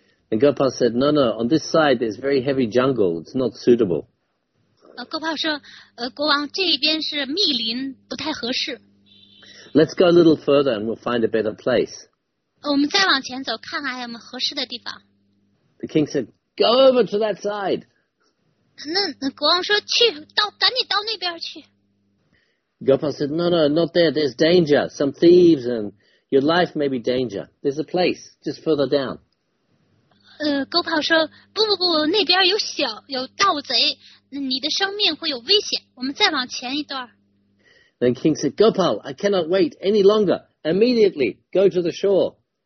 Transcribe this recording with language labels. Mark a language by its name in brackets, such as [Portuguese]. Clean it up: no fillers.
[English] And Gopal said, "No, no. On this side, there's very heavy jungle. It's not suitable." [Chinese] Gopal 说，国王这边是密林，不太合适。 [English] Let's go a little further, and we'll find a better place. [Chinese] 我们再往前走，看看有没有合适的地方。 [English] The king said, "Go over to that side." [Chinese] 那国王说去到，赶紧到那边去。 [English] Gopal said, "No, no, not there. There's danger. Some thieves and your life may be danger. There's a place just further down." [Chinese] Gopal 说不，那边有盗贼，你的生命会有危险。我们再往前一段。 [English] The king said, "Gopal, I cannot wait any longer. Immediately, go to the shore."